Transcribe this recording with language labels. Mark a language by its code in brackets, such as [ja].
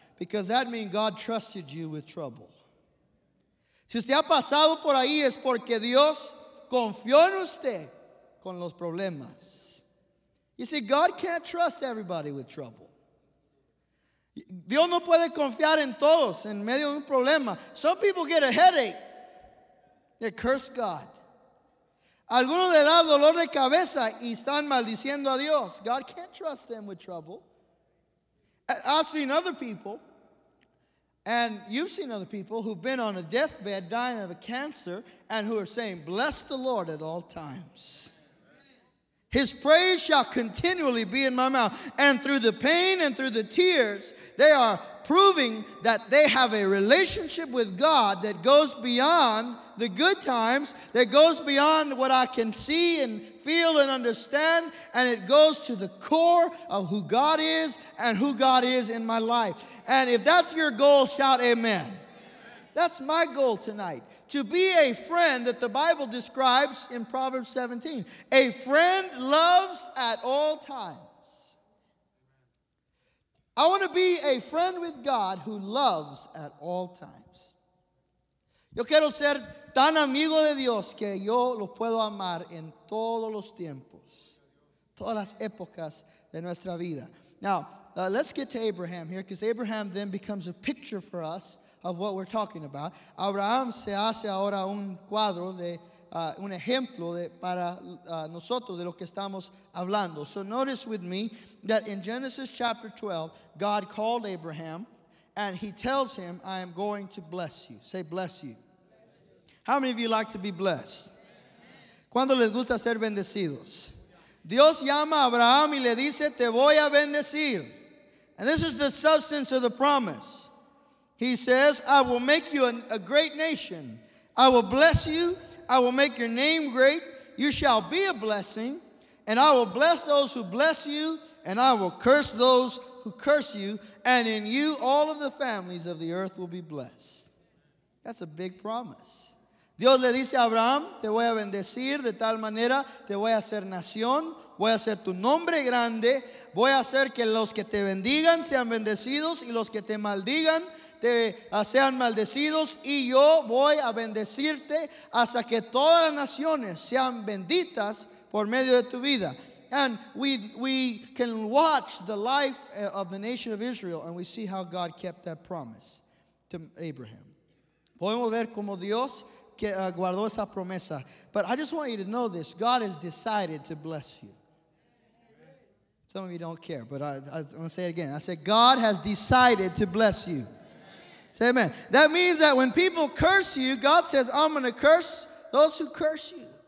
[en] Because that means God trusted you with trouble. [es] Si usted ha pasado por ahí, es porque Dios confió en usted con los problemas. [en] You see, God can't trust everybody with trouble. [es] Dios no puede confiar en todos en medio de un problema. [en] Some people get a headache. They curse God. [es] Algunos le da dolor de cabeza y están maldiciendo a Dios. [en] God can't trust them with trouble. I've seen other people, and you've seen other people who've been on a deathbed dying of a cancer and who are saying, bless the Lord at all times. His praise shall continually be in my mouth. And through the pain and through the tears, they are proving that they have a relationship with God that goes beyond the good times, that goes beyond what I can see and feel and understand, and it goes to the core of who God is and who God is in my life. And if that's your goal, shout amen. Amen. That's my goal tonight, to be a friend that the Bible describes in Proverbs 17. A friend loves at all times. I want to be a friend with God who loves at all times. [es] Yo quiero ser tan amigo de Dios que yo lo puedo amar en todos los tiempos, todas las épocas de nuestra vida. [en] Now, let's get to Abraham here, because Abraham then becomes a picture for us of what we're talking about. [es] Abraham se hace ahora un cuadro de un ejemplo de, para nosotros de lo que estamos hablando. [en] So notice with me that in Genesis chapter 12, God called Abraham and he tells him, I am going to bless you. Say, bless you. How many of you like to be blessed? [es] ¿Cuándo les gusta ser bendecidos? Dios llama a Abraham y le dice, te voy a bendecir. [en] And this is the substance of the promise. He says, I will make you a great nation. I will bless you. I will make your name great. You shall be a blessing. And I will bless those who bless you. And I will curse those who curse you. And in you, all of the families of the earth will be blessed. That's a big promise. [es] Dios le dice a Abraham, te voy a bendecir de tal manera, te voy a hacer nación, voy a hacer tu nombre grande, voy a hacer que los que te bendigan sean bendecidos y los que te maldigan sean maldecidos y yo voy a bendecirte hasta que todas las naciones sean benditas por medio de tu vida. [en] And we can watch the life of the nation of Israel and we see how God kept that promise to Abraham. [es] Podemos ver como Dios que guardó esa promesa. [en] But I just want you to know this. God has decided to bless you. Some of you don't care, but I'm going to say it again. I said, God has decided to bless you. Amen. Say amen. That means that when people curse you, God says, I'm going to curse those who curse you.